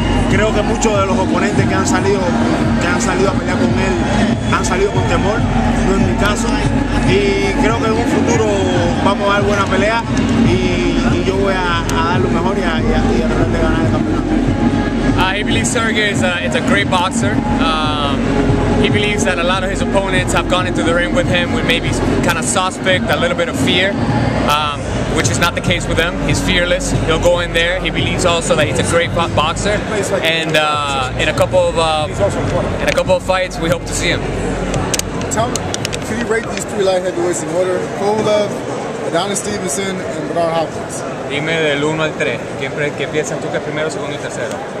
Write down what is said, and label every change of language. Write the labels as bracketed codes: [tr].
[es] Creo que muchos de los oponentes que han salido a pelear con él han salido con temor, no es mi caso. Y creo que en un futuro vamos a dar buena pelea y yo voy a dar lo mejor y a tratar de ganar el campeonato. [en] He believes Sergey is a great boxer. He believes that a lot of his opponents have gone into the ring with him with maybe kind of suspect, a little bit of fear. Which is not the case with him. He's fearless. He'll go in there. He believes also that he's a great boxer. And in a couple of fights, we hope to see him. Tell me, can you rate these three light heavyweights in order? Kovalev, Adonis Stevenson, and Bernard Hopkins. [es] Dime del 1 al 3. ¿Qué piensas tú que es primero, segundo y tercero?